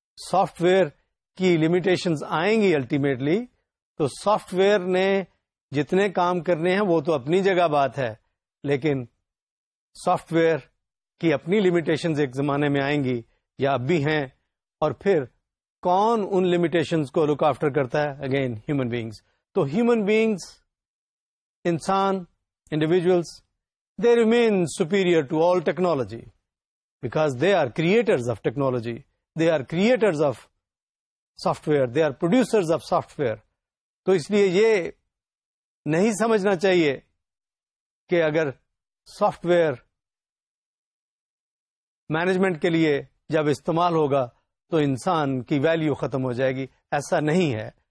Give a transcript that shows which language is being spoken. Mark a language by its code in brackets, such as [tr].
[ur] Soft where کی limitations آئیں گی الٹیمیٹلی، تو سافٹ ویئر نے جتنے کام کرنے ہیں وہ تو اپنی جگہ بات ہے، لیکن سافٹ ویئر کی اپنی لمیٹیشنز ایک زمانے میں آئیں گی یا اب بھی ہیں، اور پھر کون ان لمیٹیشنز کو لک آفٹر کرتا ہے؟ [en] Again human beings. تو human beings, انسان، individuals, they remain superior to all technology because they are creators of technology, they are creators of software, they are producers of software. [ur] تو اس لیے یہ نہیں سمجھنا چاہیے کہ اگر سافٹ ویئر مینجمنٹ کے لیے جب استعمال ہوگا تو انسان کی ویلیو ختم ہو جائے گی، ایسا نہیں ہے.